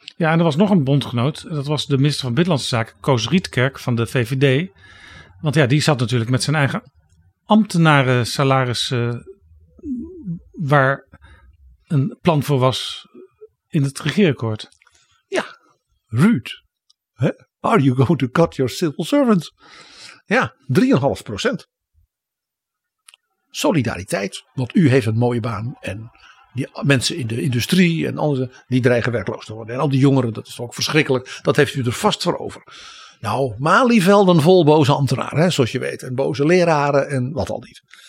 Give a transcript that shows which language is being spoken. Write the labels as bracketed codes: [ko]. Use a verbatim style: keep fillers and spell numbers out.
[nl] Ja, en er was nog een bondgenoot. Dat was de minister van Binnenlandse Zaken, Koos Rietkerk van de V V D. Want ja, die zat natuurlijk met zijn eigen ambtenaren salarissen waar een plan voor was in het regeerakkoord. Ja, Ruud. Hè? [en] Are you going to cut your civil servants? [nl] Ja, drie komma vijf procent. Solidariteit, want u heeft een mooie baan en die mensen in de industrie en anderen die dreigen werkloos te worden. En al die jongeren, dat is ook verschrikkelijk, dat heeft u er vast voor over. Nou, Malivelden vol boze ambtenaren, hè, zoals je weet. En boze leraren en wat al niet.